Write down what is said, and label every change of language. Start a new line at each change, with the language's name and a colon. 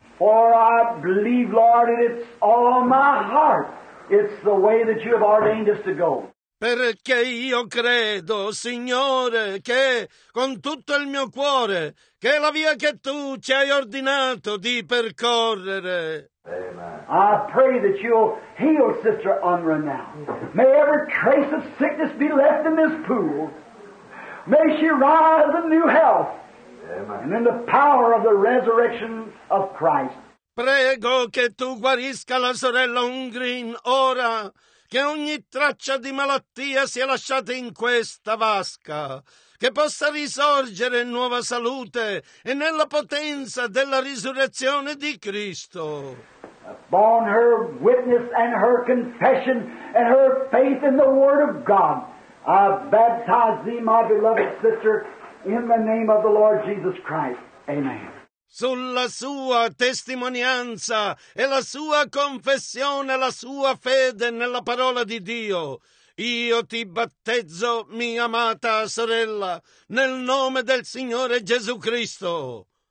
English: For I believe, Lord, and it's all my heart, it's the way that you have ordained us to go.
Italian: Perché io credo, Signore, che con tutto il mio cuore, che è la via che tu ci hai ordinato di percorrere.
English: I pray that you'll heal Sister Unruh now. May every trace of sickness be left in this pool. May she rise in new health. Amen. And in the power of the resurrection of Christ.
Italian: Prego che tu guarisca la sorella Ungrin ora, che ogni traccia di malattia sia lasciata in questa vasca, che possa risorgere nuova salute e nella potenza della risurrezione di Cristo.
English: Upon her witness and her confession and her faith in the Word of God, I baptize thee, my beloved sister, in the name of the Lord Jesus Christ. Amen.
Italian: Sulla sua testimonianza e la sua confessione, la sua fede nella parola di Dio, io ti battezzo, mia amata sorella, nel nome del Signore Gesù Cristo.